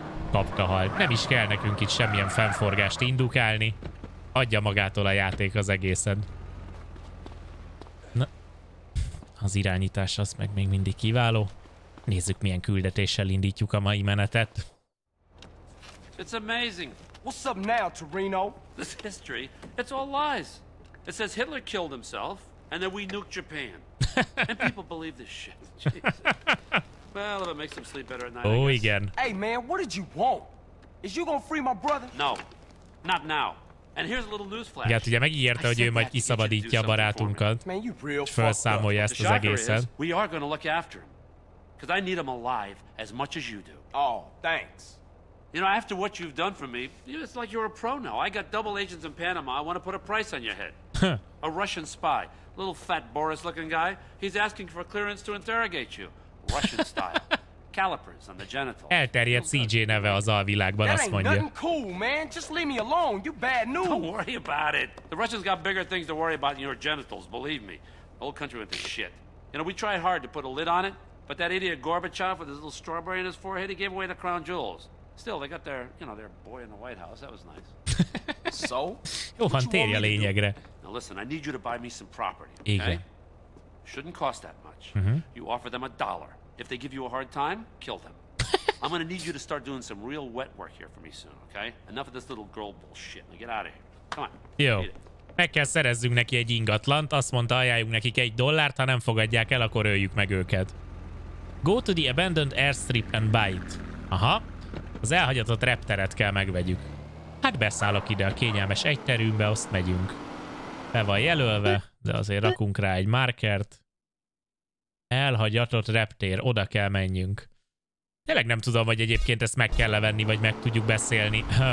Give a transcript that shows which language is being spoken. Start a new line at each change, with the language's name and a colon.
Hungarian: Kapta halt, nem is kell nekünk itt semmilyen fennforgást indukálni. Adja magától a játék az egészen. Na, az irányítás az meg még mindig kiváló. Nézzük, milyen küldetéssel indítjuk a mai menetet.
English: It's amazing. What's up now, Torino? This history, it's all lies. It says Hitler killed himself, and then we nuked Japan. And people believe this shit. Jesus. Well, if it makes him sleep better at night.
Hungarian: Oh, igen.
English: Hey, man, what did you want? Is you gonna free my brother? No, not now. And here's a little newsflash.
Hungarian: Igen, ugye megígérte, hogy ő majd kiszabadítja a barátunkat.
English: Man, you real fucked up.
Hungarian: És felszámolja ezt az egészet.
English: We are gonna look after him, because I need him alive as much as you do. Oh, thanks. You know, after what you've done for me, it's like you're a pro now. I got double agents in Panama. I want to put a price on your head. A Russian spy, little fat Boris-looking guy. He's asking for clearance to interrogate you, Russian style. Calipers on the genitals.
Hungarian: Elterjedt CJ neve az alvilágban, azt mondja.
English: That ain't nothing cool, man. Just leave me alone. You bad news. Don't worry about it. The Russians got bigger things to worry about than your genitals. Believe me. The whole country went to shit. You know, we tried hard to put a lid on it, but that idiot Gorbachev with his little strawberry in his forehead, he gave away the crown jewels. Still, they got their, you know, their boy in the White House. That was nice. So?
Hungarian: Jó, han, térj a lényegre.
English: Now listen, I need you to buy me some property, okay?
Hungarian: Igen.
English: Shouldn't cost that much. Uh-huh. You offer them a dollar. If they give you a hard time, kill them. I'm gonna need you to start doing some real wet work here for me soon, okay? Enough of this little girl bullshit. Now get out of here. Come on.
Hungarian: Jó. Meg kell szerezzünk neki egy ingatlant. Azt mondta, ajánljunk nekik egy dollárt, ha nem fogadják el, akkor öljük meg őket.
English: Go to the abandoned airstrip and buy it. Aha.
Hungarian: Az elhagyatott repteret kell megvegyük. Hát beszállok ide a kényelmes egyterűnbe, azt megyünk. Be van jelölve, de azért rakunk rá egy markert. Elhagyatott reptér, oda kell menjünk. Tényleg nem tudom, hogy egyébként ezt meg kell levenni, vagy meg tudjuk beszélni.